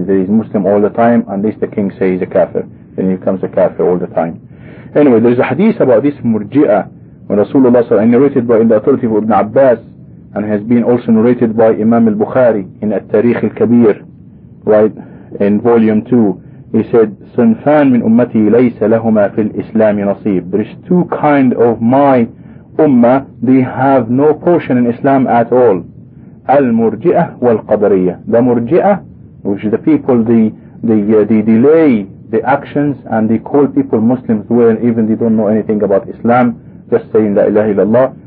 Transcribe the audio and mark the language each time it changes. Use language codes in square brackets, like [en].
[en] He is Muslim all the time unless the king says he's a kafir, then he becomes a kafir all the time. Anyway, there is a hadith about this Murji'ah when Rasulullah SAW, narrated by in the authority of Ibn Abbas, and has been also narrated by Imam al-Bukhari in At-Tariq al-Kabir, right, in volume 2. [ar] He said, صنفان من أمتي ليس لهما في الإسلام نصيب. [en] There is two kind of my ummah, they have no portion in Islam at all. Al-Murji'ah wal-Qadariyah. The Murji'ah, which is the people, they delay the actions, and they call people Muslims well, even they don't know anything about Islam, just saying [ar] La ilaha illallah.